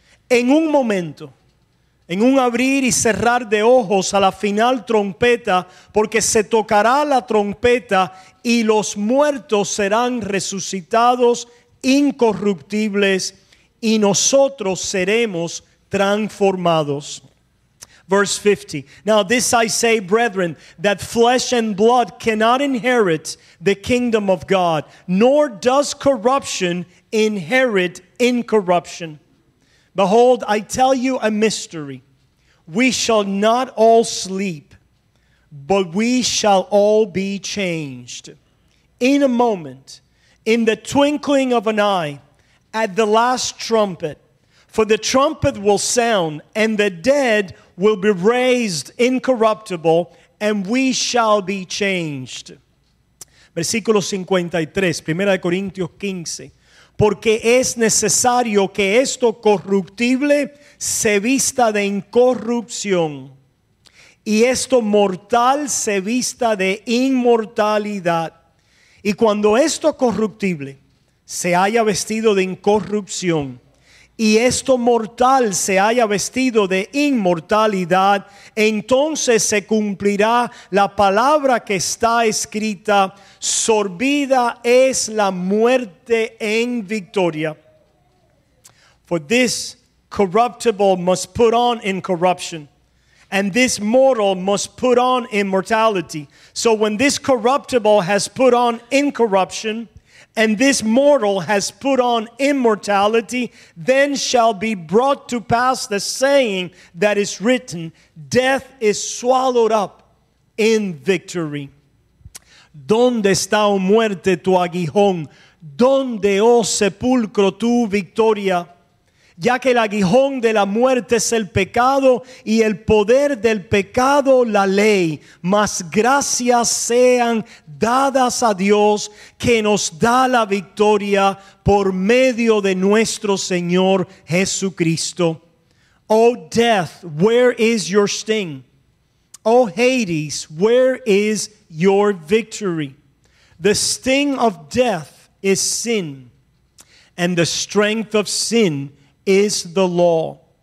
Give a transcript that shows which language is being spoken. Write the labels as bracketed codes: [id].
[es] En un momento, en un abrir y cerrar de ojos a la final trompeta, porque se tocará la trompeta y los muertos serán resucitados incorruptibles y nosotros seremos transformados. [en] Verse 50. Now this I say, brethren, that flesh and blood cannot inherit the kingdom of God, nor does corruption inherit incorruption. Behold, I tell you a mystery. We shall not all sleep, but we shall all be changed. In a moment, in the twinkling of an eye, at the last trumpet, for the trumpet will sound, and the dead will be raised incorruptible, and we shall be changed. [es] Versículo 53, 1 Corintios 15. Porque es necesario que esto corruptible se vista de incorrupción, y esto mortal se vista de inmortalidad. Y cuando esto corruptible se haya vestido de incorrupción, y esto mortal se haya vestido de inmortalidad, entonces se cumplirá la palabra que está escrita: sorbida es la muerte en victoria. [en] For this corruptible must put on incorruption, and this mortal must put on immortality. So when this corruptible has put on incorruption, and this mortal has put on immortality, then shall be brought to pass the saying that is written, death is swallowed up in victory. [es] ¿Dónde está, oh muerte, tu aguijón? ¿Dónde, oh sepulcro, tu victoria? Ya que el aguijón de la muerte es el pecado, y el poder del pecado la ley, mas gracias sean dadas a Dios, que nos da la victoria por medio de nuestro Señor Jesucristo. [en] Oh death, where is your sting? Oh Hades, where is your victory? The sting of death is sin, and the strength of sin is the law.